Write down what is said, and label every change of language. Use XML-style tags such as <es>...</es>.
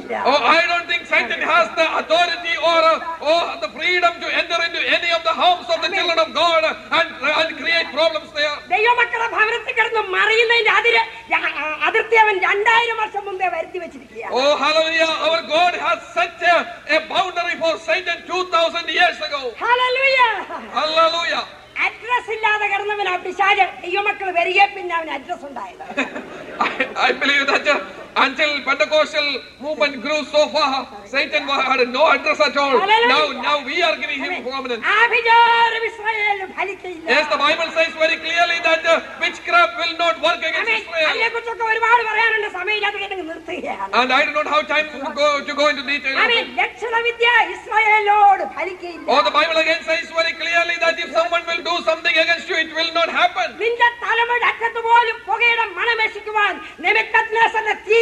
<en>Oh, I don't think Satan has the authority or the freedom to enter into any of the homes of the children of God and create problems there.</en> <ml>ദൈവമക്കളെ ഭവനത്തിൽ കിടന്ന് മറിയുന്നതിന്റെ അതിർത്തി അവൻ 2000 വർഷം മുമ്പേ വരുത്തി വെച്ചിരിക്കുകയാണ്.</ml> <en>Oh, hallelujah. Our God has set a boundary for Satan 2000 years ago. Hallelujah. Hallelujah.</en> <ml>Address ഇല്ലാതെ കിടന്നവൻ ആ പിശാച് ദൈവമക്കൾ വരികെ പിന്നെ അവൻ അഡ്രസ് ഉണ്ടായത്.</ml> <en>I believe that until Pentecostal movement grew so far, Satan had no address at all. Now we are giving him prominence.</en> <ml>Abijar Israel phalikilla.</ml> <en>Yes, the Bible says very clearly that witchcraft will not work against Israel. Amen.</en> <ml>അല്ലേക്കുറിച്ച് ഒരു വാക്ക് പറയാനുണ്ട്, സമയമില്ലാതെ ഇങ്ങ് നിർത്തുകയാണ്.</ml> <en>And I do not have time to go into detail.</en> <ml>Amen. ലക്ഷണവിദ്യ ഇസ്രായേലോട് ഫലിക്കില്ല.</ml> <en>Oh, the Bible again says very clearly that if someone will do something against you, it will not happen.</en> <ml>നിന്റെ തലമുടി അറ്റത്ത് പോലും പുകയുടെ മണമേശിക്കുവാൻ നെബുക്കദ്നേസരുടെ</ml>